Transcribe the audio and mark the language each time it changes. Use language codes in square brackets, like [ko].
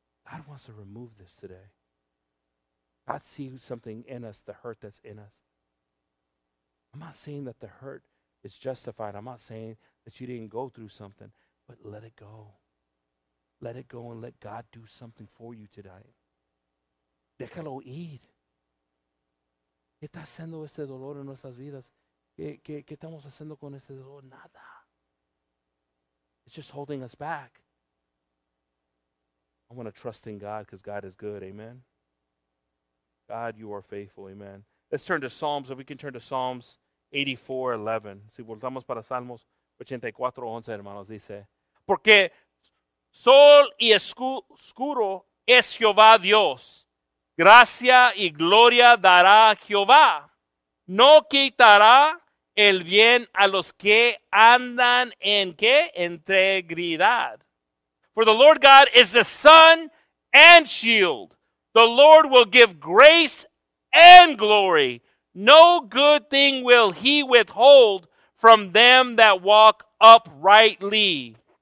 [en] God wants to remove this today. God sees something in us, the hurt that's in us. I'm not saying that the hurt is justified. I'm not saying that you didn't go through something, but let it go. Let it go and let God do something for you today. [es] Déjalo ir. ¿Qué está haciendo este dolor en nuestras vidas? ¿Qué estamos haciendo con este dolor? Nada. [en] It's just holding us back. I want to trust in God because God is good. Amen. God, you are faithful. Amen. Let's turn to Psalms. If we can turn to Psalms 84:11. [es] Si voltamos para Salmos 84:11, hermanos, dice, porque sol y escuro es Jehová Dios. Gracia y gloria dará Jehová. No quitará el bien a los que andan en qué? Integridad. [en] For the Lord God is the sun and shield. The Lord will give grace and glory. No good thing will he withhold from them that walk uprightly.